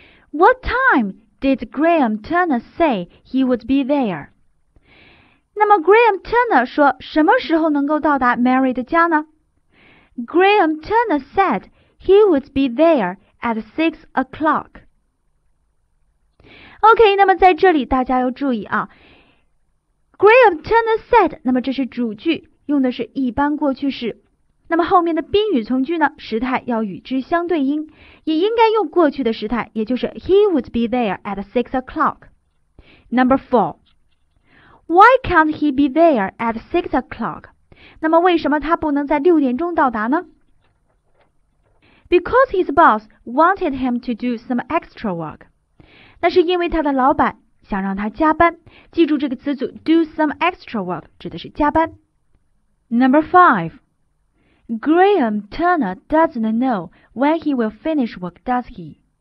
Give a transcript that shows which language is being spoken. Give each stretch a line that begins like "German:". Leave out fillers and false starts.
English: What time did Graham Turner say he would be there?
Chinese: 那么 Graham Turner 说什么时候能够到达 Mary 的家呢？
English: Graham Turner said he would be there at 6 o'clock.
Chinese: OK, 那么在这里大家要注意啊。
English: Graham Turner said,
Chinese: 那么这是主句，用的是一般过去式。那么后面的宾语从句呢，时态要与之相对应，也应该用过去的时态，也就是
English: he would be there at 6 o'clock. Number 4. Why can't he be there at 6 o'clock?
Chinese: 那么为什么他不能在6点钟到达呢？
English: Because his boss wanted him to do some extra work.
Chinese: 那是因为他的老板想让他加班，记住这个词组
English: do some extra work
Chinese: 指的是加班。
English: Number 5. Graham Turner doesn't know when he will finish work, does he?